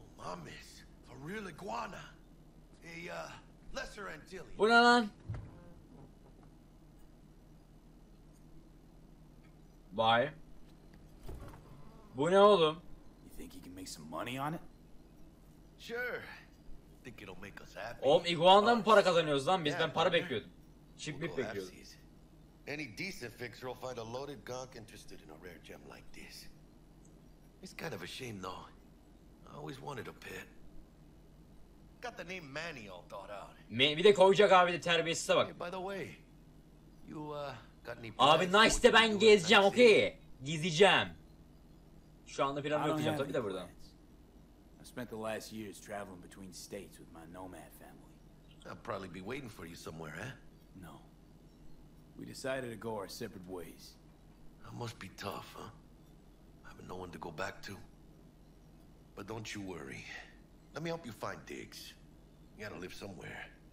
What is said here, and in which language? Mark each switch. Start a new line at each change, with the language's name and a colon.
English: Mamis, a real iguana. A lesser Antillean.
Turkish: Bu ne lan? Vay. Bu ne oğlum?
English: You think you can make some money on it? Sure. Think it'll make us happy.
Turkish: Oğlum iguana mı para kazanıyoruz lan biz? Ben para bekliyordum. Çip mi bekliyordum?
English: Any decent fixer will find a loaded gonk interested in a rare gem like this. It's kind of a shame though. I always wanted a pet. Got the name Manny all thought out.
Turkish: Bir de koyacak abi de terbiyesize bak.
English: Hey, by the way, you got any plans?
Turkish: Abi nice de ben gezeceğim, okey. Gezeceğim. Şu anda planım yok diyeceğim tabii de buradan.
English: I spent the last years traveling between states with my nomad family. I'll probably be waiting for you somewhere, eh? No. We decided to go our separate ways. That must be tough, huh? Having no one to go back to. But don't you worry. Let me help you find Diggs. You gotta live somewhere.